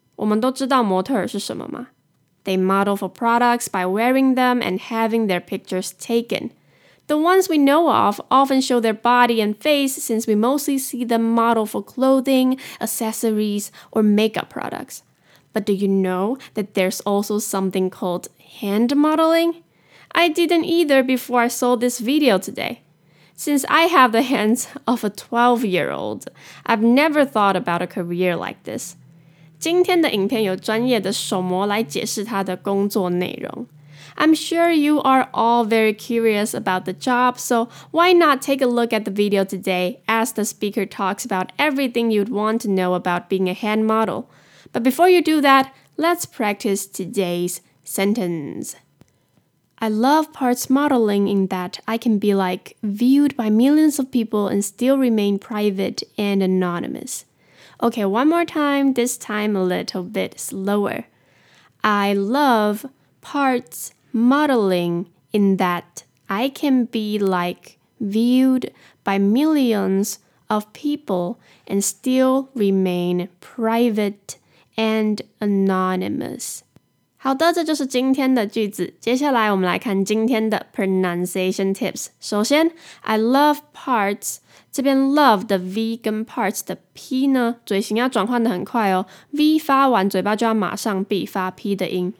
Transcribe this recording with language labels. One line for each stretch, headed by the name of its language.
Chinese: 我们都知道模特儿是什么吗?
English: They model for products by wearing them and having their pictures taken. The ones we know of often show their body and face since we mostly see them model for clothing, accessories, or makeup products. But do you know that there's also something called hand modeling? I didn't either before I saw this video today. Since I have the hands of a 12-year-old, I've never thought about a career like this.
Chinese: 今天的影片有专业的手模来解释他的工作内容。
English: I'm sure you are all very curious about the job, so why not take a look at the video today as the speaker talks about everything you'd want to know about being a hand model. But before you do that, let's practice today's sentence. I love parts modeling in that I can be, like, viewed by millions of people and still remain private and anonymous. Okay, one more time, this time a little bit slower. I love parts modeling in that I can be, like, viewed by millions of people and still remain private and anonymous.
Chinese: 好的，这就是今天的句子。接下来我们来看今天的 pronunciation tips。首先 ，
English: I love parts，
Chinese: 这边 love 的 v 跟 parts 的 p 呢，嘴型要转换的很快哦。 v 发完，嘴巴就要马上闭，发 p 的音。